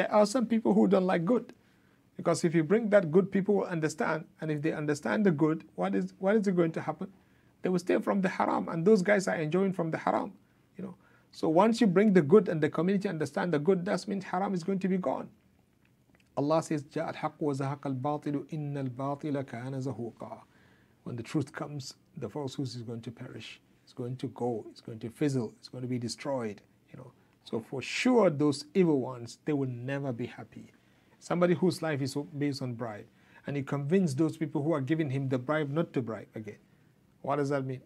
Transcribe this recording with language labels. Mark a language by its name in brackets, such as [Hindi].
[English] There are some people who don't like good. Because if you bring that good, people will understand. And if they understand the good, what is going to happen? They will stay from the haram. And those guys are enjoying from the haram, you know. So once you bring the good and the community understand the good, that means haram is going to be gone. Allah says, [Arabic] جَاءَ الْحَقُّ وَزَهَقَ الْبَاطِلُ إِنَّ الْبَاطِلَ كَانَ زَهُوقًا. [English] When the truth comes, the falsehood is going to perish. It's going to go. It's going to fizzle. It's going to be destroyed, you know. So for sure, those evil ones, they will never be happy. Somebody whose life is based on bribe, and you convince those people who are giving him the bribe not to bribe again. What does that mean?